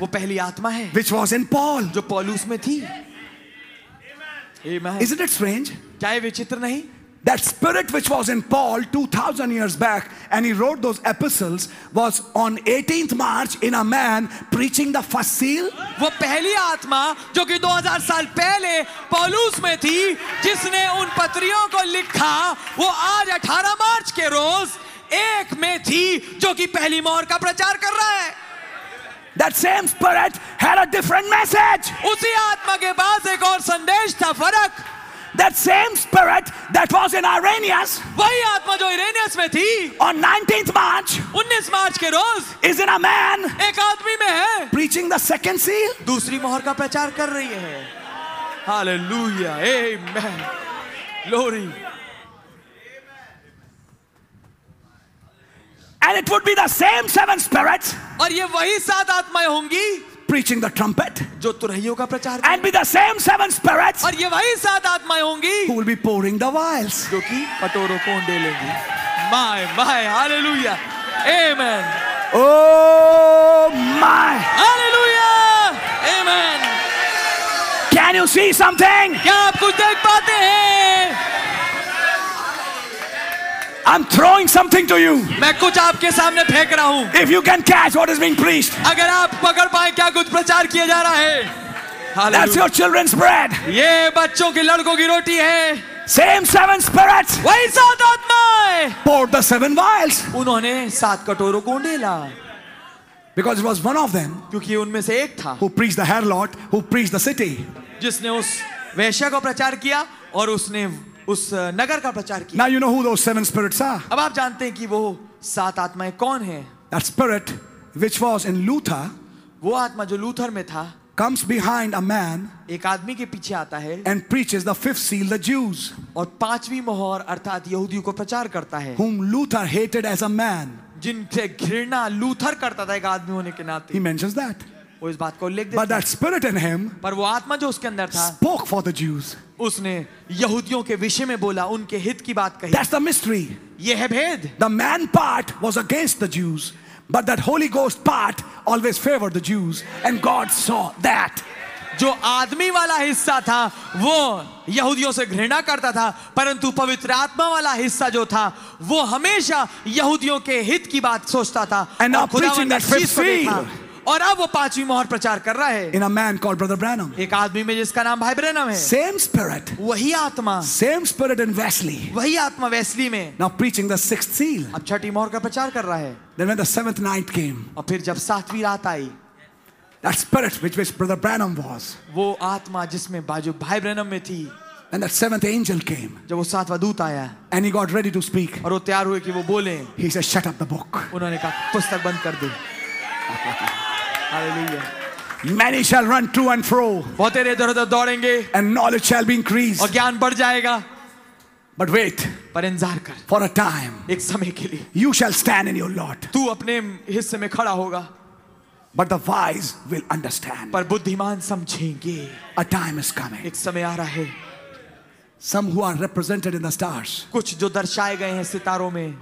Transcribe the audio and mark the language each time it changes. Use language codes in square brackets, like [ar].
[hi] वो पहली आत्मा है. [en] Which was in Paul. [hi] जो पौलुस में थी. [en] Amen. Isn't it strange? [hi] क्या ये विचित्र नहीं? [en] That spirit which was in Paul 2000 years back and he wrote those epistles was on 18th March in a man preaching the first seal. [hi] वो पहली आत्मा जो कि 2000 साल पहले पौलुस में थी जिसने उन पत्रियों को लिखा वो आज 18 मार्च के रोज एक में थी जो कि पहली मोहर का प्रचार कर रहा है. [en] That same spirit had a different message. [hi] उसी आत्मा के पास एक और संदेश था फरक. [en] That same spirit that was in Irenaeus, [hi] वही आत्मा जो इरेनियस में थी, [en] on 19th March, [hi] 19 मार्च के रोज, [en] is in a man, [hi] एक आदमी में है, [en] preaching the second seal, [hi] दूसरी मोहर का प्रचार कर रही है. [en] Hallelujah, Amen, Glory. And it would be the same seven spirits, [hi] और ये वही सात आत्माएं होंगी. [en] Preaching the trumpet, [hi] जो तुरहियों का प्रचार, [en] and be the same seven spirits, [hi] और ये वही सात आत्माएं होंगी, [en] who will be pouring the vials, [hi] जो कि कटोरों को उंडेल लेंगी. [en] My, my, hallelujah, amen. Oh my, hallelujah, amen. Can you see something? [hi] क्या आप कुछ देख पाते हैं? [en] I'm throwing something to you. [hi] मैं कुछ आपके सामने फेंक रहा हूँ. [en] If you can catch what is being preached. [hi] अगर आप पकड़ पाएं क्या कुछ प्रचार किया जा रहा है. [en] That's your children's bread. [hi] ये बच्चों की लड़कों की रोटी है. [en] Same seven spirits. [hi] वही सात आत्माएं. [en] Pour the seven vials. [hi] उन्होंने सात कटोरों को उंडेला. [en] Because it was one of them. [hi] क्योंकि उनमें से एक था. [en] Who preached the harlot? Who preached the city? [hi] जिसने उस वेश्या को प्रचार किया और उसने उस नगर का प्रचार किया. [en] Now you know who those seven spirits are. [hi] अब आप जानते हैं कि वो सात आत्माएं कौन हैं. [en] That spirit which was in Luther, [hi] वो आत्मा जो लूथर में था, [en] comes behind a man, [hi] एक आदमी के पीछे आता है, [en] and preaches the fifth seal, the Jews, [hi] और पांचवी मोहर अर्थात यहूदियों को प्रचार करता है, [en] whom Luther hated as a man, [hi] जिनसे घृणा लूथर करता था एक आदमी होने के नाते. [en] He mentions that. [hi] वो इस बात को लिख देता. [en] But that spirit in him, [hi] पर वो आत्मा जो उसके अंदर था, [en] spoke for the Jews. [hi] उसने यहूदियों के विषय में बोला, उनके हित की बात कही. [en] That's the mystery. [hi] ये है भेद. [en] The man part was against the Jews, but that Holy Ghost part always favored the Jews, and God saw that. [hi] जो आदमी वाला हिस्सा था, वो यहूदियों से घृणा करता था, परंतु पवित्र आत्मा वाला हिस्सा जो था, वो हमेशा यहूदियों के हित की बात सोचता था. [en] And now preaching that fifth seal. [hi] और अब वो पांचवी मोहर प्रचार कर रहा है. [en] In a man called Brother Branham. [hi] एक आदमी में जिसका नाम भाई ब्रैनम है. [en] Same spirit. [hi] वही आत्मा. [en] Same spirit in Wesley. [hi] वही आत्मा वेस्ली में. [en] Now preaching the sixth seal. [hi] अब छठी मोहर का प्रचार कर रहा है. [en] Then when the seventh night came. [hi] और फिर जब सातवीं रात आई. [en] That spirit which Brother Branham was. [hi] वो आत्मा जिसमें बाजू भाई ब्रैनम में थी. [en] And that seventh angel came. [hi] जब वो सातवां दूत आया. [en] And he got ready to speak. [hi] और वो तैयार हुए कि वो बोले. [en] He said, "Shut up the book." [hi] उन्होंने कहा पुस्तक बंद कर दे. [en] Many shall run to and fro. [hi] बहुतेर इधर उधर दौड़ेंगे. [en] And knowledge shall be increased. [hi] और ज्ञान बढ़ जाएगा. [en] But wait. [hi] पर इंतजार कर. [en] For a time. [hi] एक समय के लिए. [en] You shall stand in your lot. [hi] तू अपने हिस्से में खड़ा होगा. [en] But the wise will understand. [hi] पर बुद्धिमान समझेंगे. [en] A time is coming. [hi] एक समय आ रहा है. [en] Some who are represented in the stars. [hi] कुछ जो दर्शाए गए हैं सितारों में.